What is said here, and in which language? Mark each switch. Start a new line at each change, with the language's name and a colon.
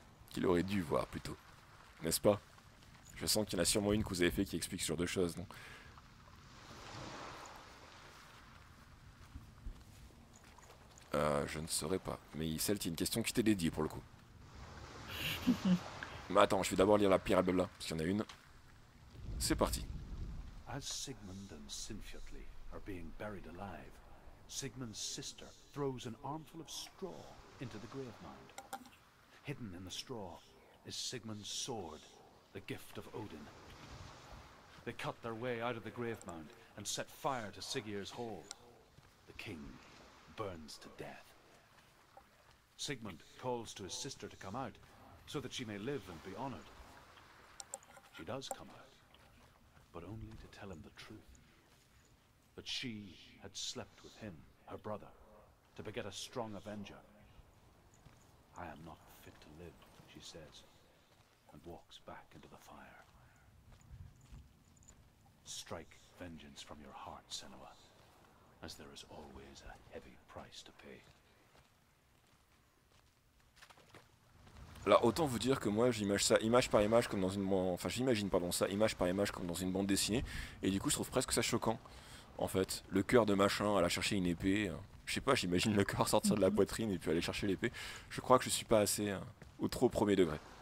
French: Qu'il aurait dû voir plutôt. N'est-ce pas? Je sens qu'il y en a sûrement une que vous avez fait qui explique ce genre de choses, non? Je ne saurais pas. Mais celle qui est une question qui t'est dédiée pour le coup. Mais attends, je vais d'abord lire la parable là, parce qu'il y en a une. C'est parti.
English: As Sigmund and Sinfjotli are being buried alive, Sigmund's sister throws an armful of straw into the grave mound. Hidden in the straw is Sigmund's sword, the gift of Odin. They cut their way out of the grave mound and set fire to Sigir's hall. The king burns to death. Sigmund calls to his sister to come out, so that she may live and be honored. She does come out, but only to tell him the truth. That she had slept with him, her brother, to beget a strong avenger. I am not fit to live, she says, and walks back into the fire. Strike vengeance from your heart, Senua, as there is always a heavy price to pay.
French: Alors autant vous dire que moi j'image ça image par image comme dans une bande, enfin j'imagine pardon ça image par image comme dans une bande dessinée, et du coup je trouve presque ça choquant en fait. Le cœur de machin à aller chercher une épée, je sais pas, j'imagine le cœur sortir de la poitrine et puis aller chercher l'épée. Je crois que je suis pas assez ou trop premier degré.